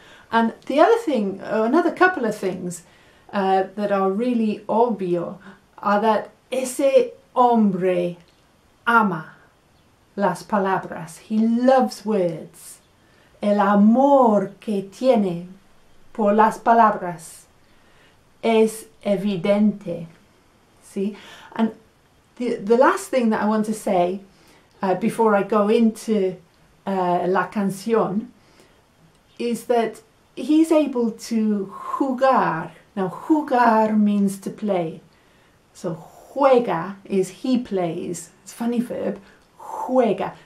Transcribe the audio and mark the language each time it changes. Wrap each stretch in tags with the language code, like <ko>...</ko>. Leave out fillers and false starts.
<en>And the other thing, another couple of things that are really obvious are that</en> <es>ese hombre ama las palabras.</es> <en>He loves words.</en> <es>El amor que tiene por las palabras es evidente.</es> <en>See? And the last thing that I want to say before I go into</en> <es>la canción</es> <en>is that he's able to jugar. Now, jugar means to play. So, juega is he plays. It's a funny verb. Juega.</en>